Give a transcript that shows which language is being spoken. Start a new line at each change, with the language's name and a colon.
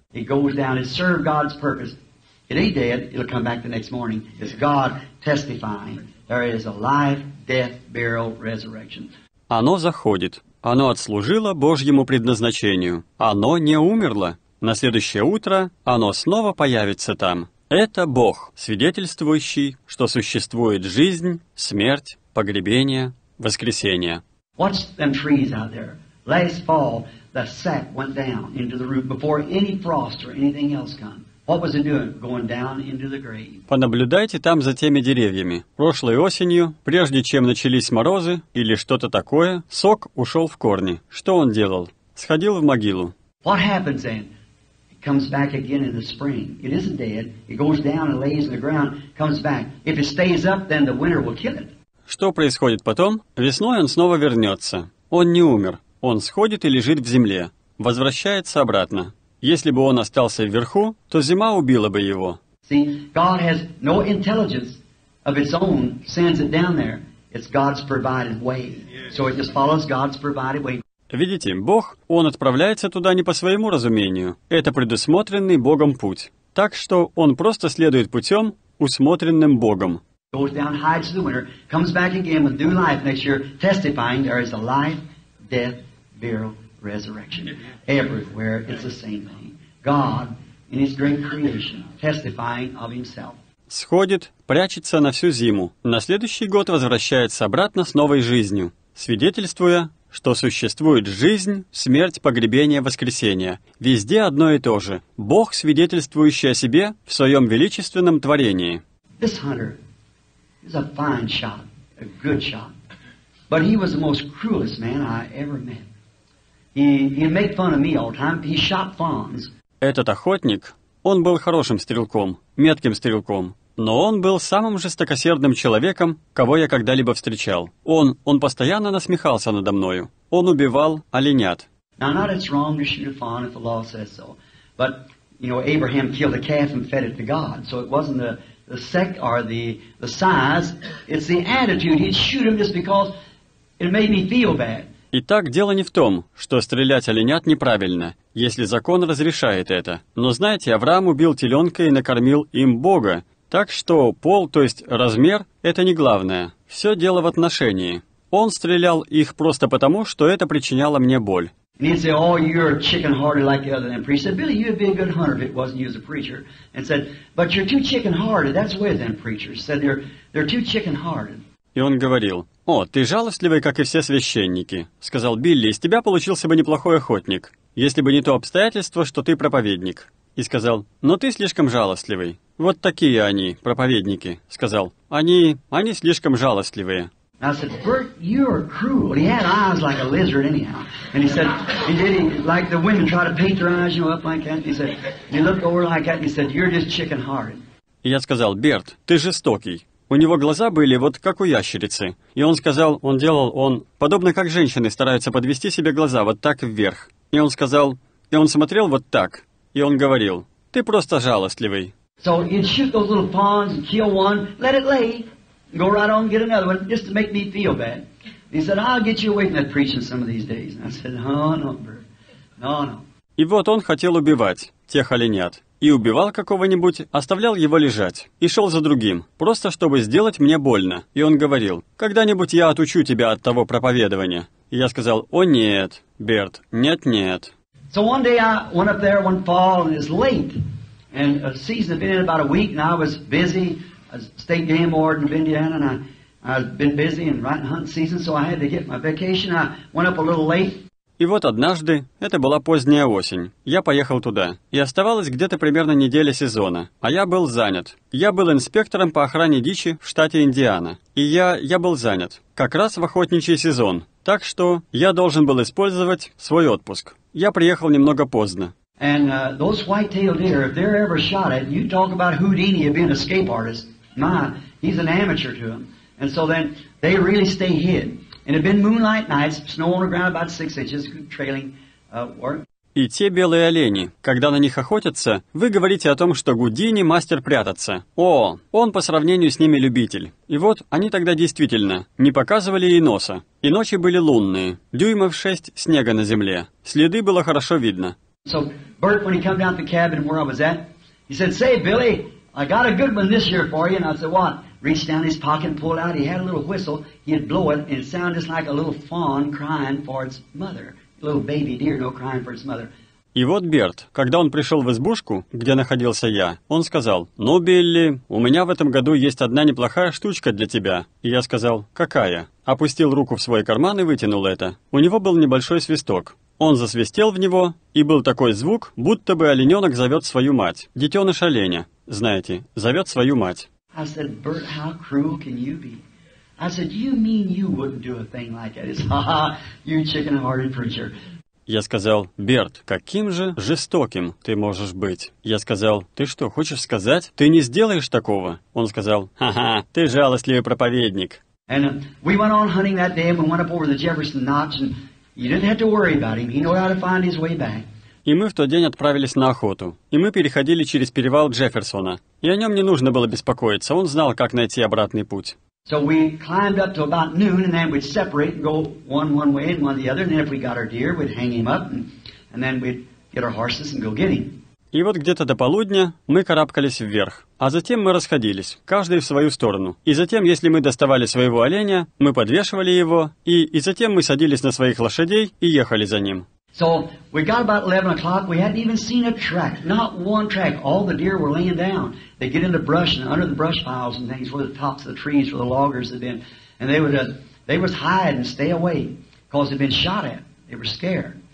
English: It goes down and serves God's purpose. It ain't dead, it'll come back the next morning. It's God testifying. There is a life, death, burial, resurrection.
Russian: Оно заходит. Оно отслужило Божьему предназначению. Оно не умерло. На следующее утро оно снова появится там. Это Бог, свидетельствующий, что существует жизнь, смерть, погребение, воскресение.
English: Watch them trees out there. Last fall, the sap went down into the root before any frost or anything else came. What was it doing? Going down into the grave.
Russian: Понаблюдайте там за теми деревьями. Прошлой осенью, прежде чем начались морозы или что-то такое, сок ушел в корни. Что он делал? Сходил в могилу.
English: What happens then? It comes back again in the spring. It isn't dead. It goes down and lays in the ground, comes back. If it stays up, then the winter will kill it.
Russian: Что происходит потом? Весной он снова вернется. Он не умер. Он сходит и лежит в земле. Возвращается обратно. Если бы он остался вверху, то зима убила бы его.
English: See, God has no intelligence of its own, sends it down there. It's God's provided way. So it just follows God's provided way.
Russian: Видите, Бог, он отправляется туда не по своему разумению. Это предусмотренный Богом путь. Так что он просто следует путем, усмотренным Богом.
English: Goes down, hides the winter, comes back again with new life next year, testifying there is a life, death, burial. Resurrection. Everywhere it's the same thing. God in His great creation, testifying of Himself.
Russian: Сходит, прячется на всю зиму. На следующий год возвращается обратно с новой жизнью, свидетельствуя, что существует жизнь, смерть, погребение, воскресение. Везде одно и то же. Бог, свидетельствующий о себе в своем величественном творении.
English: This hunter is a fine shot, a good shot, but he was the most cruelest man I ever met. He'd make fun of me all the time. He shot fawns.
Russian: Этот охотник, он был хорошим стрелком, метким стрелком, но он был самым жестокосердным человеком, кого я когда-либо встречал. Он постоянно насмехался надо мною. Он убивал оленят.
English: Now, not it's wrong to shoot a fawn if the law says so, but you know Abraham killed a calf and fed it to God, so it wasn't the sex or the size, it's the attitude. He'd shoot him just because it made me feel bad.
Russian: Итак, дело не в том, что стрелять оленят неправильно, если закон разрешает это. Но знаете, Авраам убил теленка и накормил им Бога. Так что пол, то есть размер, это не главное. Все дело в отношении. Он стрелял их просто потому, что это причиняло мне боль.
English: And he'd say, oh, you're chicken-hearted like the other than priest. He said, Billy, you'd be a good hunter if it wasn't you as a preacher. And said, but you're too chicken-hearted. That's the way then preachers said, they're too chicken-hearted.
Russian: И он говорил, «О, ты жалостливый, как и все священники», — сказал Билли, «из тебя получился бы неплохой охотник, если бы не то обстоятельство, что ты проповедник». И сказал, «Но ты слишком жалостливый». «Вот такие они, проповедники», — сказал, «они слишком жалостливые».
English: I said, Bert, you're cruel. He had eyes like a lizard anyhow. And he said, like the women try to paint their eyes, you know, up like that. He said, he looked over like that, and he said, you're just chicken-hearted.
Russian: И я сказал, «Берт, ты жестокий». У него глаза были вот как у ящерицы. И он сказал, он подобно как женщины стараются подвести себе глаза вот так вверх. И он сказал, и он смотрел вот так. И он говорил, ты просто жалостливый.
English: So you'd shoot those little fawns and kill one, let it lay, go right on and get another one, just to make me feel bad. He said, I'll get you away from that preaching some of these days. And I said, no.
Russian: И вот он хотел убивать тех оленят. И убивал какого-нибудь, оставлял его лежать. И шел за другим, просто чтобы сделать мне больно. И он говорил, «Когда-нибудь я отучу тебя от того проповедования». И я сказал, «О нет, Берт, нет-нет».
English: So one day I went up there one fall, and it was late. And the season had been in about a week, and I was busy state game warden of Indiana, and I've been busy and right in hunt season, so I had to get my vacation. I went up a little late.
Russian: И вот однажды, это была поздняя осень, я поехал туда, и оставалось где-то примерно неделя сезона, а я был занят. Я был инспектором по охране дичи в штате Индиана, и я был занят, как раз в охотничий сезон, так что я должен был использовать свой отпуск. Я приехал немного поздно.
English: And those white-tailed deer, if they're ever shot at, you talk about Houdini being an escape artist. My, he's an amateur to them. And so then, they really stay hid. And it'd been moonlight nights, snow on the ground about 6 inches, trailing work.
Russian: И те белые олени, когда на них охотятся, вы говорите о том, что Гудини мастер прятаться. О, он по сравнению с ними любитель. И вот они тогда действительно не показывали и носа. И ночи были лунные, дюймов 6 снега на земле. Следы было хорошо видно.
English: So Bert, when he came down to the cabin where I was at, he said, "Say, Billy, I got a good one this year for you." And I said, "What?" Reached down his pocket and pulled out. He had a little whistle. He'd blow it, and it sounded just like a little fawn crying for its mother. A little baby deer, no crying for its mother.
Russian: И вот Берт, когда он пришел в избушку, где находился я, он сказал, «Ну, Билли, у меня в этом году есть одна неплохая штучка для тебя». И я сказал, «Какая?» Опустил руку в свой карман и вытянул это. У него был небольшой свисток. Он засвистел в него, и был такой звук, будто бы олененок зовет свою мать. Детеныш оленя, знаете, зовет свою мать.
English: I said, Bert, how cruel can you be? I said, you mean you wouldn't do a thing like that? He said, ha-ha, you chicken-hearted preacher.
Russian: Я сказал, Берт, каким же жестоким ты можешь быть? Я сказал, ты что, хочешь сказать, ты не сделаешь такого? Он сказал, ха-ха, ты жалостливый проповедник.
English: And we went on hunting that day, and we went up over the Jefferson Notch, and you didn't have to worry about him. He knew how to find his way back.
Russian: И мы в тот день отправились на охоту. И мы переходили через перевал Джефферсона. И о нем не нужно было беспокоиться. Он знал, как найти обратный путь.
English: So we climbed up to about noon, and then we'd separate and go one way and one the other. And then if we got our deer, we'd hang him up, and then we'd get our horses and go get him.
Russian: И вот где-то до полудня мы карабкались вверх, а затем мы расходились, каждый в свою сторону. И затем, если мы доставали своего оленя, мы подвешивали его, и затем мы садились на своих лошадей и ехали за ним.
English: So we got about 11 o'clock, we hadn't even seen a track, not one track, all the deer were laying down. They'd get in the brush and under the brush piles and things where the tops of the trees where the loggers had been, and they would hide and stay away, because they'd been shot at, they were scared.